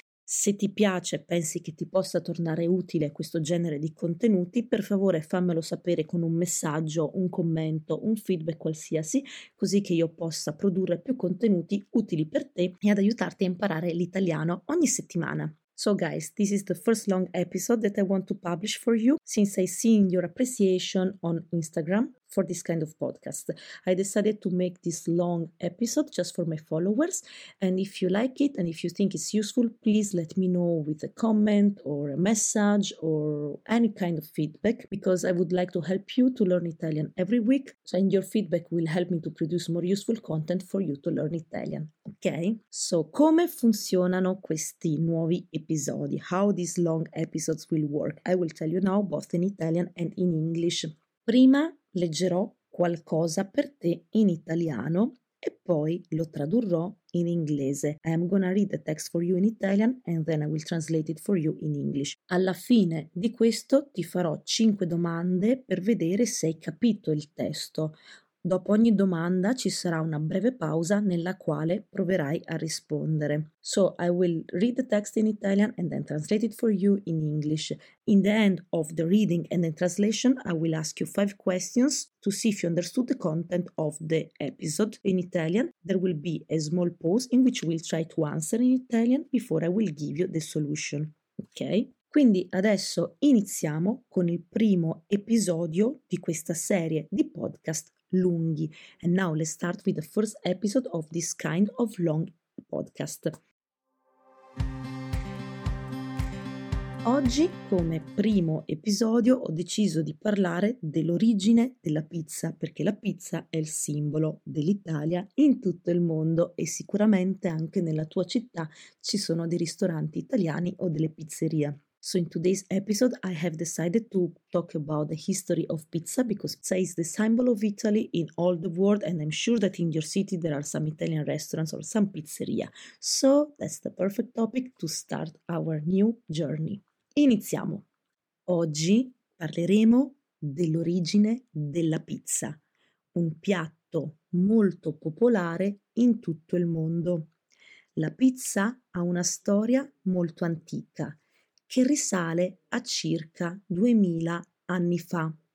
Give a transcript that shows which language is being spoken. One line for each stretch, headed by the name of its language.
Italian: Se ti piace e pensi che ti possa tornare utile questo genere di contenuti, per favore fammelo sapere con un messaggio, un commento, un feedback qualsiasi, così che io possa produrre più contenuti utili per te e ad aiutarti a imparare l'italiano ogni settimana.
English: So guys, this is the first long episode that I want to publish for you since I've seen your appreciation on Instagram for this kind of podcast. I decided to make this long episode just for my followers, and if you like it and if you think it's useful, please let me know with a comment or a message or any kind of feedback, because I would like to help you to learn Italian every week, and your feedback will help me to produce more useful content for you to learn Italian. Okay, so
Italian: come funzionano questi nuovi episodi?
English: How these long episodes will work? I will tell you now, both in Italian and in English.
Italian: Prima leggerò qualcosa per te in italiano e poi lo tradurrò in inglese.
English: I'm gonna read the text for you in Italian and then I will translate it for you in English.
Italian: Alla fine di questo ti farò 5 domande per vedere se hai capito il testo. Dopo ogni domanda ci sarà una breve pausa nella quale proverai a rispondere.
English: So I will read the text in Italian and then translate it for you in English. In the end of the reading and the translation, I will ask you 5 questions to see if you understood the content of the episode in Italian. There will be a small pause in which we'll try to answer in Italian before I will give you the solution. Okay?
Italian: Quindi adesso iniziamo con il primo episodio di questa serie di podcast lunghi.
English: And now let's start with the first episode of this kind of long podcast.
Italian: Oggi, come primo episodio, ho deciso di parlare dell'origine della pizza, perché la pizza è il simbolo dell'Italia in tutto il mondo e sicuramente anche nella tua città ci sono dei ristoranti italiani o delle pizzerie.
English: So in today's episode I have decided to talk about the history of pizza because pizza is the symbol of Italy in all the world and I'm sure that in your city there are some Italian restaurants or some pizzeria. So that's the perfect topic to start our new journey.
Italian: Iniziamo! Oggi parleremo dell'origine della pizza, un piatto molto popolare in tutto il mondo. La pizza ha una storia molto antica, che risale a circa 2000 anni fa.